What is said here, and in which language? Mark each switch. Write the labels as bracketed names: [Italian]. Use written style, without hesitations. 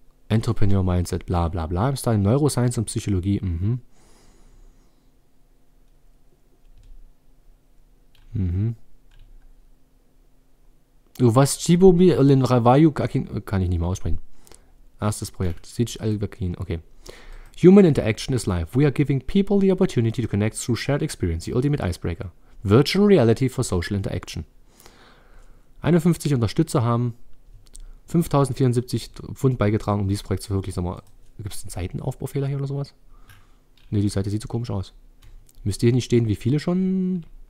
[German] Entrepreneur Mindset, bla bla bla, im Style Neuroscience und Psychologie, Was Chibomi Elin Ravayu Kakin, kann ich nicht mehr aussprechen. Erstes Projekt, Siege Al-Gakin, okay. [English] Human Interaction is Life. We are giving people the opportunity to connect through shared experience, the ultimate icebreaker. Virtual Reality for Social Interaction. [German] 51 Unterstützer haben 5074 Pfund beigetragen, um dieses Projekt zu verwirklichen. Sag mal, gibt es einen Seitenaufbaufehler hier oder sowas? Ne, die Seite sieht so komisch aus. Müsst ihr hier nicht stehen, wie viele schon?